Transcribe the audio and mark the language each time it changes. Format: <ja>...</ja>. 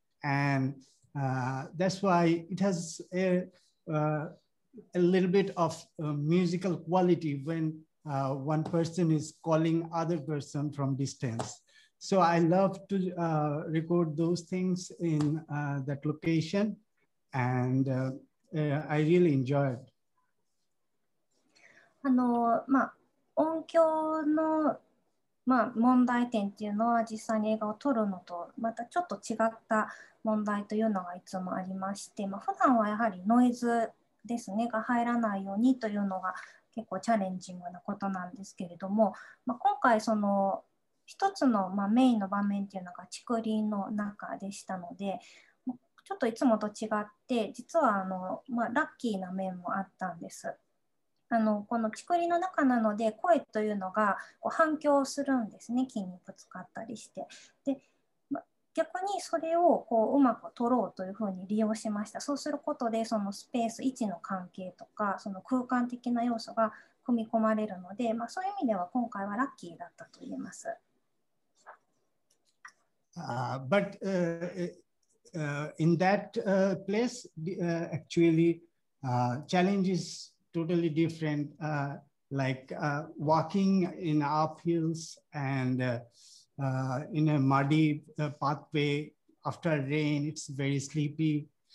<en>And that's why it has a little bit of musical quality when one person is calling other person from distance. So I love to record those things in that location, and I really enjoy it.</en> <ja>まあ、音響の、まあ、問題点っていうのは実際に映画を撮るのとまたちょっと違った問題というのがいつもありまして、まあ、普段はやはりノイズですねが入らないようにというのが結構チャレンジングなことなんですけれども、まあ、今回その一つのまあメインの場面というのが竹林の中でしたので、ちょっといつもと違って実はまあ、ラッキーな面もあったんです。この竹林の中なので声というのがこう反響するんですね、木にぶつかったりして。で逆にそれをこううまく撮ろうというふうに利用しました。そうすることでそのスペース位置の関係とかその空間的な要素が組み込まれるので、まあ、そういう意味では今回はラッキーだったと言えます。</ja> <en>But in that place, actually, challenge is totally different. Like walking in uphills and in a muddy pathway after rain, it's very sleepy.</en>